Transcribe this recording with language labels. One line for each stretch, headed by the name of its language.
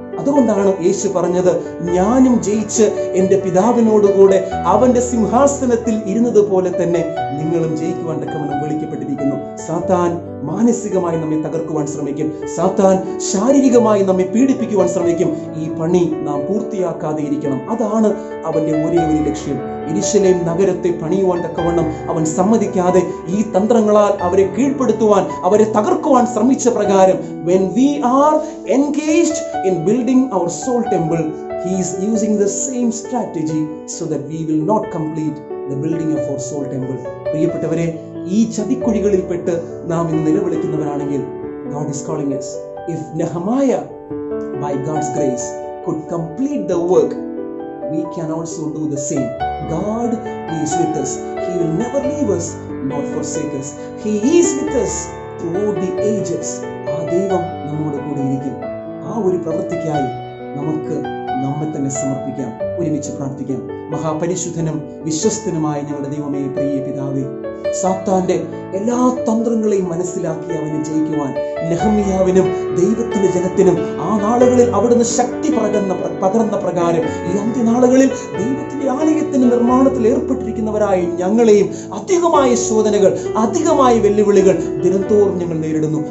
Malayalam: അതുകൊണ്ടാണ് യേശു പറഞ്ഞത്, ഞാനും ജയിച്ച് എൻ്റെ പിതാവിനോടുകൂടെ അവൻ്റെ സിംഹാസനത്തിൽ ഇരുന്നതുപോലെ തന്നെ നിങ്ങളും ജയിക്കുവാൻ തക്കവണ്ണം വിളിക്കപ്പെട്ടിരിക്കുന്നു. സാത്താൻ മാനസികമായി നമ്മെ തകർക്കുവാൻ ശ്രമിക്കും, സാത്താൻ ശാരീരികമായി നമ്മെ പീഡിപ്പിക്കുവാൻ ശ്രമിക്കും. ഈ പണി നാം പൂർത്തിയാക്കാതെ ഇരിക്കണം, അതാണ് അവൻ്റെ ഒരേ ഒരു ലക്ഷ്യം. യെരുശലേം നഗരത്തെ പണിയുവാൻ തക്കവണ്ണം അവൻ സമ്മതിക്കാതെ ഈ തന്ത്രങ്ങളാൽ അവരെ കീഴ്പ്പെടുത്തുവാൻ, അവരെ തകർക്കുവാൻ ശ്രമിച്ച പ്രകാരം,
English: when we are engaged in building our soul temple, he is using the same strategy so that we will not complete the building of our soul temple.
Malayalam: പ്രിയപ്പെട്ടവരെ, ഈ ചതിക്കുഴികളിൽ പെട്ട് നാം ഇന്ന് നിലവിളിക്കുന്നവരാണെങ്കിൽ,
English: God is calling us. If Nehemiah, by God's grace, could complete the work, we can also do the same. God is with us. He will never leave us nor forsake us. He is with us throughout the ages.
Malayalam: ആ ദൈവം നമ്മുടെ കൂടെ ഇരിക്കും. ആ ഒരു പ്രവൃത്തിക്കായി നമുക്ക് നമ്മെ തന്നെ സമർപ്പിക്കാം. ഒരുമിച്ച് പ്രാർത്ഥിക്കാം. മഹാപരിശുദ്ധനും വിശ്വസ്തനുമായ ഞങ്ങളുടെ ദൈവമേ, പ്രിയ പിതാവേ, സാത്താന്റെ എല്ലാ തന്ത്രങ്ങളെയും മനസ്സിലാക്കി അവനെ ജയിക്കുവാൻ നെഹെമ്യാവിനും ദൈവത്തിന്റെ ജനത്തിനും ആ നാളുകളിൽ അവിടുന്ന് ശക്തി പകർന്ന പ്രകാരം ഈ അന്ത്യനാളുകളിൽ ദൈവത്തിന്റെ ആലയത്തിന് നിർമ്മാണത്തിൽ ഏർപ്പെട്ടിരിക്കുന്നവരായ ഞങ്ങളെയും അധികമായ ശോധനകൾ, അധികമായ വെല്ലുവിളികൾ ദിനംതോറും ഞങ്ങൾ നേരിടുന്നു.